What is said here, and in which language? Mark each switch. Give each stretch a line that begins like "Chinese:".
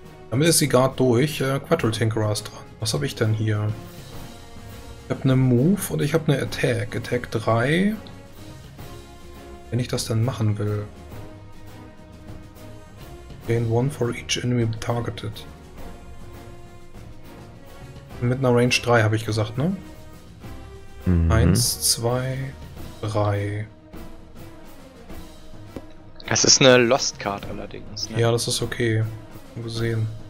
German: Damit ist die Guard durch. Quattro-Tinkerer ist dran. Was habe ich denn hier? Ich habe eine Move und ich habe eine Attack. Attack 3. Wenn ich das denn machen will.
English: Gain 1 for each enemy targeted.
German: Mit einer Range 3 habe ich gesagt, ne? 1, 2, 3. Das ist eine Lost Card allerdings. Ne? Ja, das ist okay. Gesehen.